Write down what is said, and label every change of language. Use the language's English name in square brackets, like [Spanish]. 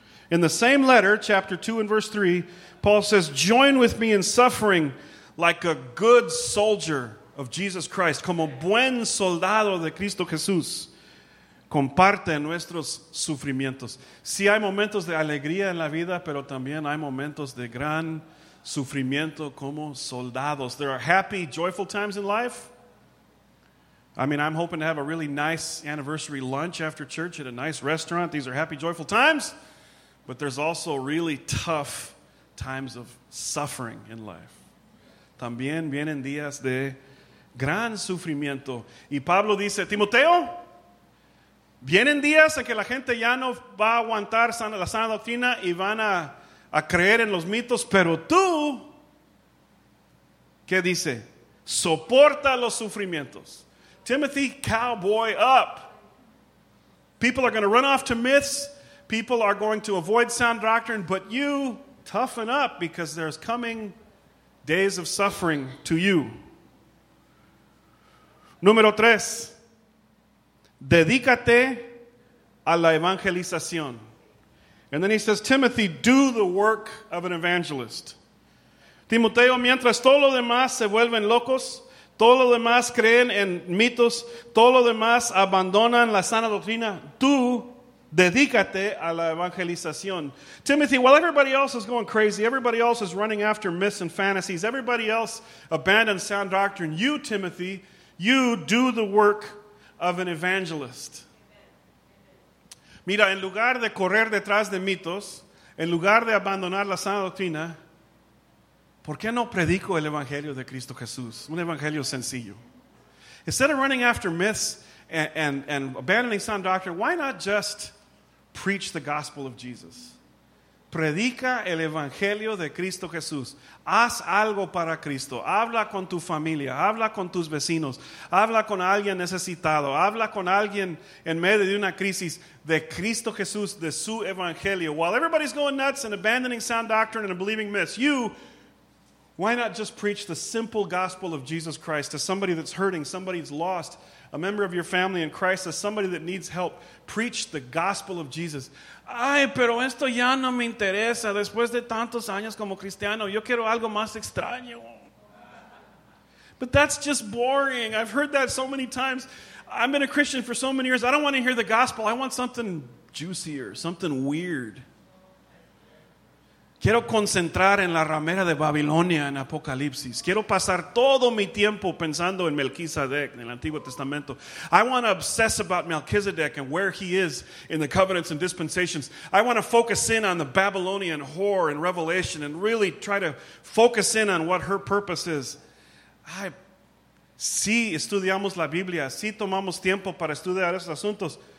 [English] In the same letter, chapter 2 and verse 3, Paul says, join with me in suffering like a good soldier of Jesus Christ, [Spanish] como buen soldado de Cristo Jesús. Comparte nuestros sufrimientos. Sí, hay momentos de alegría en la vida, pero también hay momentos de gran sufrimiento como soldados. [English] There are happy, joyful times in life. I mean, I'm hoping to have a really nice anniversary lunch after church at a nice restaurant. These are happy, joyful times. But there's also really tough times of suffering in life. [Spanish] También vienen días de gran sufrimiento. Y Pablo dice, Timoteo, vienen días en que la gente ya no va a aguantar la sana doctrina y van a creer en los mitos. Pero tú, ¿qué dice? Soporta los sufrimientos. [English] Timothy, cowboy up. People are going to run off to myths. People are going to avoid sound doctrine, but you toughen up because there's coming days of suffering to you. [Spanish] Número tres, dedícate a la evangelización. [English] And then he says, Timothy, do the work of an evangelist. [Spanish] Timoteo, mientras todo lo demás se vuelven locos, todo lo demás creen en mitos, todo lo demás abandonan la sana doctrina, tú dedícate a la evangelización. [English] Timothy, while everybody else is going crazy, everybody else is running after myths and fantasies, everybody else abandons sound doctrine, you, Timothy, you do the work of an evangelist. [Spanish] Mira, en lugar de correr detrás de mitos, en lugar de abandonar la sana doctrina, ¿por qué no predico el evangelio de Cristo Jesús? Un evangelio sencillo. [English] Instead of running after myths and abandoning sound doctrine, why not just preach the gospel of Jesus? [Spanish] Predica el evangelio de Cristo Jesús. Haz algo para Cristo. Habla con tu familia. Habla con tus vecinos. Habla con alguien necesitado. Habla con alguien en medio de una crisis de Cristo Jesús, de su evangelio. [English] While everybody's going nuts and abandoning sound doctrine and believing myths, you, why not just preach the simple gospel of Jesus Christ to somebody that's hurting, somebody that's lost, a member of your family in Christ, as somebody that needs help, preach the gospel of Jesus. [Spanish] Ay, pero esto ya no me interesa. Después de tantos años como cristiano, yo quiero algo más extraño. [English] But that's just boring. I've heard that so many times. I've been a Christian for so many years. I don't want to hear the gospel. I want something juicier, something weird. [Spanish] Quiero concentrar en la ramera de Babilonia en Apocalipsis. Quiero pasar todo mi tiempo pensando en Melquisedec, en el Antiguo Testamento. [English] I want to obsess about Melquisedec and where he is in the covenants and dispensations. I want to focus in on the Babylonian whore in Revelation and really try to focus in on what her purpose is. [Spanish] Ay, sí, estudiamos la Biblia. Sí, tomamos tiempo para estudiar esos asuntos.